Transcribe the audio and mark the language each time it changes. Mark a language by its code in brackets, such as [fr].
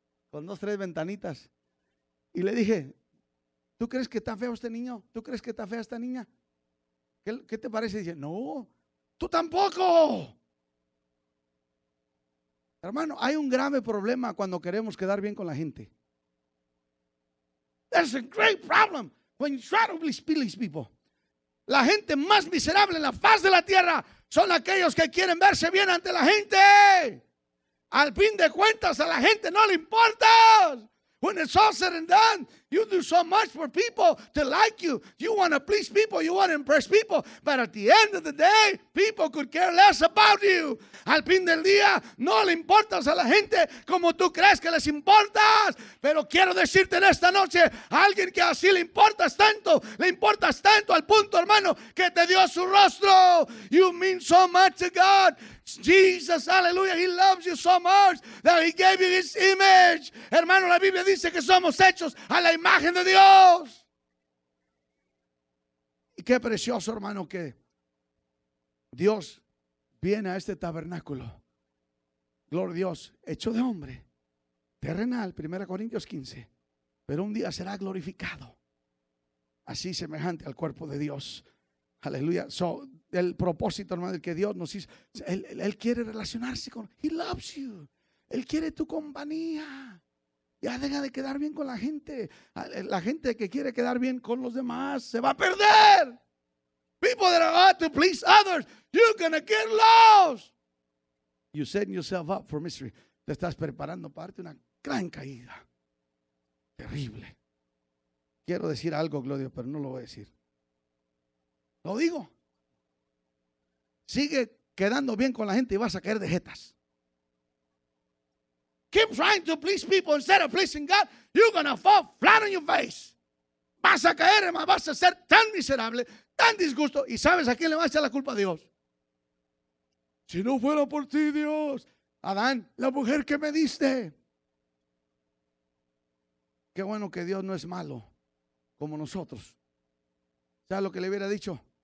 [es] Con dos, tres ventanitas. Y le dije, ¿tú crees que está feo este niño? ¿Tú crees que está fea esta niña? ¿Qué te parece? Y dice, no, tú tampoco. Hermano, hay un grave problema cuando queremos quedar bien con la gente. [en] There's a great problem when you try to please people. [es] La gente más miserable en la faz de la tierra son aquellos que quieren verse bien ante la gente. Al fin de cuentas, a la gente no le importa. When it's all said and done, you do so much for people to like you. You want to please people, you want to impress people. But at the end of the day, people could care less about you. Al fin del día, no le importas a la gente como tú crees que les importas. Pero quiero decirte en esta noche, a alguien que así le importas tanto al punto, hermano, que te dio su rostro. [en] You mean so much to God. Jesus, hallelujah, he loves you so much that he gave you his image. [es] Hermano, la Biblia dice que somos hechos a la imagen de Dios. Y qué precioso, hermano, que Dios viene a este tabernáculo. Gloria a Dios, hecho de hombre, terrenal, 1 Corintios 15. Pero un día será glorificado, así semejante al cuerpo de Dios. Aleluya. So, el propósito, hermano, el que Dios nos hizo, él quiere relacionarse con, [en] he loves you, [es] él quiere tu compañía. Ya deja de quedar bien con la gente. La gente que quiere quedar bien con los demás se va a perder. [en] People that are out to please others, you're gonna get lost. You set yourself up for misery. [es] Te estás preparando para darte una gran caída terrible. Quiero decir algo, Gloria, pero no lo voy a decir. Lo digo. Sigue quedando bien con la gente y vas a caer de jetas. [en] Keep trying to please people instead of pleasing God. You're going to fall flat on your face. [es] Vas a caer, hermano. Vas a ser tan miserable, tan disgusto. ¿Y sabes a quién le vas a echar la culpa a Dios? Si no fuera por ti, Dios. Adán, la mujer que me diste. Qué bueno que Dios no es malo como nosotros. ¿Sabes lo que le hubiera dicho?